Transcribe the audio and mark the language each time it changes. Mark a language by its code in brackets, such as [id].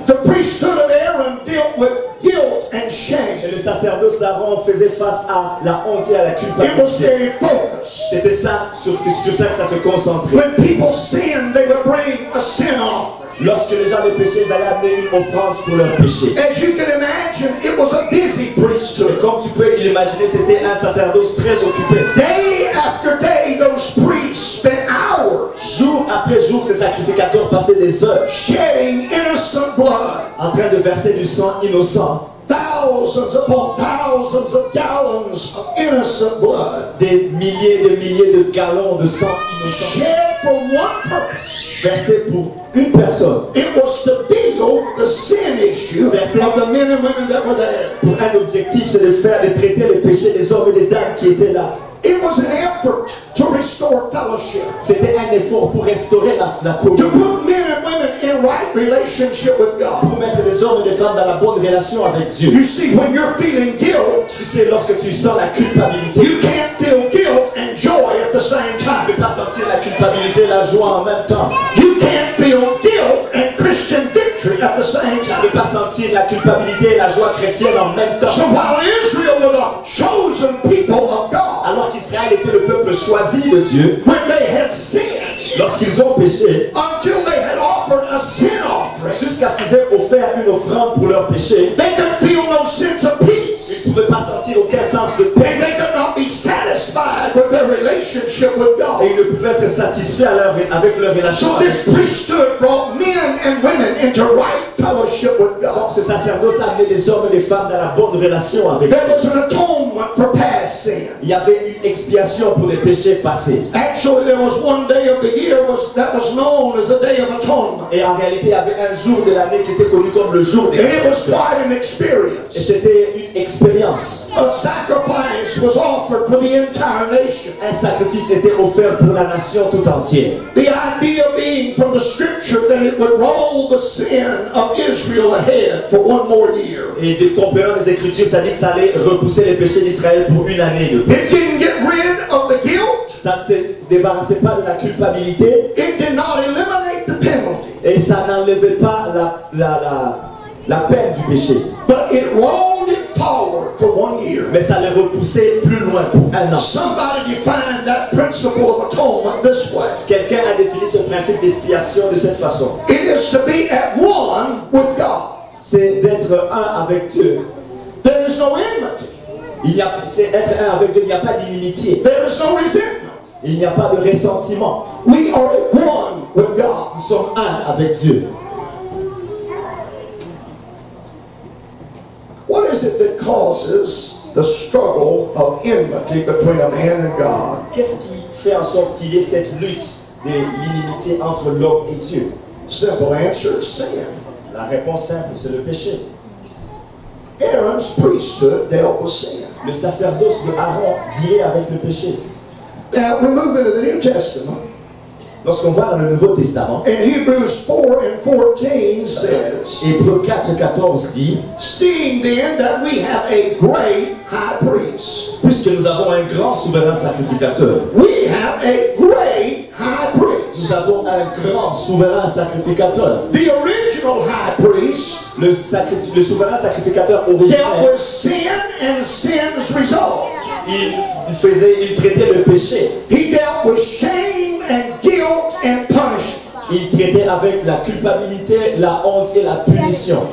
[en] The priesthood of Aaron dealt with guilt and shame. [fr] Et le sacerdoce d'Aaron faisait face à la honte et à la culpabilité. [en] It was very focused. [fr] C'était ça sur ça que ça se concentrait. [en] When people sinned, they would bring a sin offering. [fr] Lorsque les gens avaient péché, ils allaient amener une offrande pour leur péché. [en] As you can imagine, it was a busy priesthood. [fr] Et comme tu peux l'imaginer, c'était un sacerdoce très occupé. [en] Day after day, those priests spent hours. [fr] Jour après jour, ces sacrificateurs passaient des heures. [en] Shedding innocent blood. [fr] En train de verser du sang innocent. [en] Thousands upon thousands of gallons of innocent blood. [fr] Des milliers de milliers de gallons de sang innocent. [en] Shed for one purpose. [fr] Versé pour une personne. [en] It was to deal the sin issue. [fr] Versé [en] of the men and women that were there. [fr] Pour un objectif, c'est de faire, de traiter les péchés des hommes et des dames qui étaient là. [en] It was an effort to restore fellowship. [fr] C'était un effort pour restaurer la communion. [en] To put men and women in right relationship with God. [fr] Pour mettre les hommes et les femmes dans la bonne relation avec Dieu. [en] You see, when you're feeling guilt, [fr] tu sais, lorsque tu sens la culpabilité, [en] you can't feel guilt and joy at the same time. [fr] Tu ne peux pas sentir la culpabilité et la joie en même temps. [en] You can't feel guilt and Christian victory at the same time. [fr] Tu ne peux pas sentir la culpabilité et la joie chrétienne en même temps. [en] So while Israel were the chosen people of God. [fr] Alors qu'Israël était le peuple choisi de Dieu, [en] when they had sinned, [fr] lorsqu'ils ont péché, [en] until they had offered a sin offering, [fr] jusqu'à ce qu'ils aient offert une offrande pour leur péché, [en] they could feel no sense of peace. [fr] Ils ne pouvaient pas sentir aucun sens de paix. [en] And they could not be satisfied with their relationship with God. [fr] Et ils ne pouvaient être satisfaits avec leur relation. [en] So this priesthood brought men and women into right fellowship with God. [fr] Donc ce sacerdoce a amené les hommes et les femmes dans la bonne relation avec Dieu. [en] There was an atonement for past sin. [fr] Il y avait une expiation pour les péchés passés. [en] Actually, there was one day of the year that was known as the day of atonement. [fr] Et en réalité, il y avait un jour de l'année qui était connu comme le jour des péchés. [en] And it was quite an experience. [fr] Et c'était une expérience. [en] A sacrifice was offered for the entire nation. [fr] Un sacrifice était offert pour la nation tout entière. [en] The idea being from the scripture that it would roll the sin of Israel ahead for one more year. [fr] Et de comparant les écritures, ça dit que ça allait repousser les péchés d'Israël pour une année de plus. [en] It didn't get rid of the guilt. [fr] Ça ne se débarrassait pas de la culpabilité. [en] It did not eliminate the penalty. [fr] Et ça n'enlevait pas la peine du péché. [en] But it rolled it forward for one year. [fr] Mais ça les repoussait plus loin pour un an. [en] Somebody defined that principle of atonement this way. [fr] Quelqu'un a défini ce principe d'expiation de cette façon. [en] It is to be at one with God. [fr] C'est d'être un avec Dieu. [en] There is no enmity. [fr] C'est être un avec Dieu. Il n'y a pas d'inimitié. [en] There is no resentment. [fr] Il n'y a pas de ressentiment. [en] We are at one with God. [fr] Nous sommes un avec Dieu. [en] What is it that causes the struggle of enmity between a man and God? [fr] Qu'est-ce qui fait en sorte qu'il y ait cette lutte de l'inimitié entre l'homme et Dieu? [en] Simple answer, sin. [fr] La réponse simple, c'est le péché. [en] Aaron's priesthood dealt with sin. [fr] Le sacerdoce de Aaron dealait avec le péché. [en] Now we move into the New Testament. [fr] Lorsqu'on va dans le Nouveau Testament, [en] in Hebrews 4 and 14 says, [fr] Hébreux 4 et 14 dit, [en] seeing then that we have a great high priest, [fr] puisque nous avons un grand souverain sacrificateur, [en] we have a great high priest, [fr] nous avons un grand souverain sacrificateur, [en] the original high priest, [fr] le souverain sacrificateur originel, [en] dealt with sin and sin's result. [fr] Il traitait le péché. [en] He dealt with shame and guilt and punishment. [fr] Il traitait avec la culpabilité, la honte et la punition.